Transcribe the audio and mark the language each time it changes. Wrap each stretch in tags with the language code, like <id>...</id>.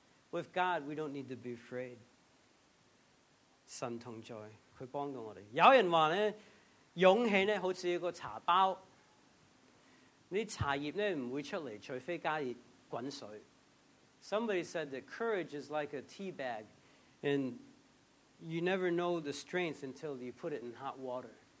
<en>With God, we don't need to be afraid.</en> <zh>神同在,祂帮助我们。有人说,勇气好像一个茶包,茶叶不会出来,除非加热滚水。</zh> <en>Somebody said that courage is like a tea bag, and you never know the strength until you put it in hot water.</en>